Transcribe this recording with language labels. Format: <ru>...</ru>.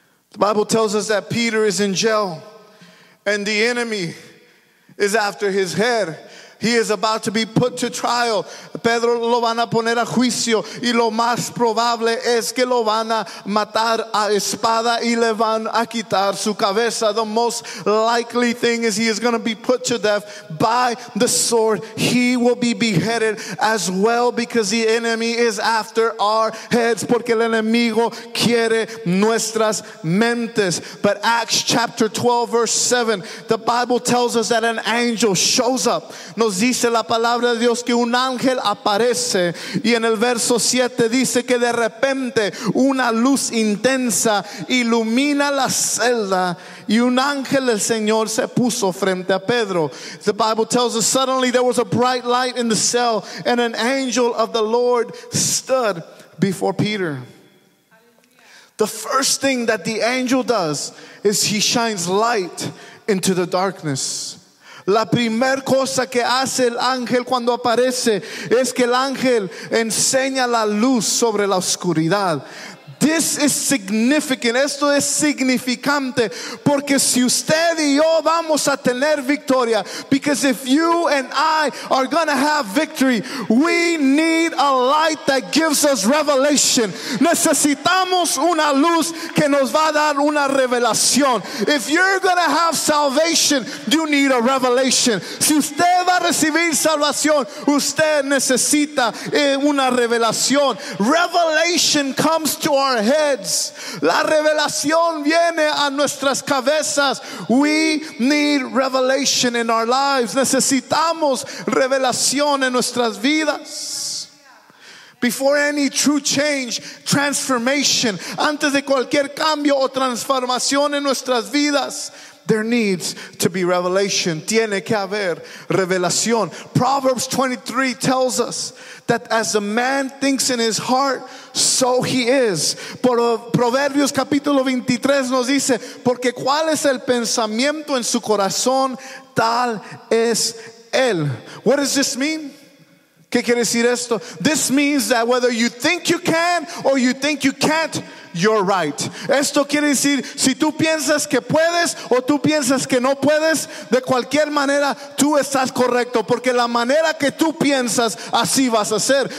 <en>The Bible tells us that Peter is in jail and the enemy is after his head. He is about to be put to trial.</en> <es>Pedro lo van a poner a juicio y lo más probable es que lo van a matar a espada y le van a quitar su cabeza.</es> <en>The most likely thing is he is going to be put to death by the sword. He will be beheaded as well because the enemy is after our heads.</en> <es>Porque el enemigo quiere nuestras mentes.</es> <en>But Acts chapter 12 verse 7, the Bible tells us that an angel shows up.</en> <es>Nos dice la palabra de Dios que un ángel aparece y en el verso 7 dice que de repente una luz intensa ilumina la celda y un ángel del Señor se puso frente a Pedro.</es> <en>The Bible tells us suddenly there was a bright light in the cell and an angel of the Lord stood before Peter. The first thing that the angel does is he shines light into the darkness.</en> <es>La primer cosa que hace el ángel cuando aparece es que el ángel enseña la luz sobre la oscuridad.</es> <en>This is significant.</en> <es>Esto es significante porque si usted y yo vamos a tener victoria,</es> <en>because if you and I are going to have victory, we need a light that gives us revelation.</en> <es>Necesitamos una luz que nos va a dar una revelación.</es> <en>If you're going to have salvation, you need a revelation.</en> <es>Si usted va a recibir salvación, usted necesita una revelación.</es> <en>Revelation comes to our heads.</en> <es>La revelación viene a nuestras cabezas.</es> <en>We need revelation in our lives.</en> <es>Necesitamos revelación en nuestras vidas.</es> <en>Before any true change, transformation,</en> <es>antes de cualquier cambio o transformación en nuestras vidas,</es> <en>there needs to be revelation.</en> <es>Tiene que haber revelación.</es> <en>Proverbs 23 tells us that as a man thinks in his heart, so he is.</en> <es>Proverbios capítulo 23 nos dice, porque cuál es el pensamiento en su corazón, tal es él.</es> <en>What does this mean?</en> <es>¿Qué quiere decir esto?</es> <en>This means that whether you think you can or you think you can't, you're right.</en> <es>Esto quiere decir, si tú piensas que puedes o tú piensas que no puedes, de cualquier manera, tú estás correcto. Porque la manera que tú piensas, así vas a ser.</es>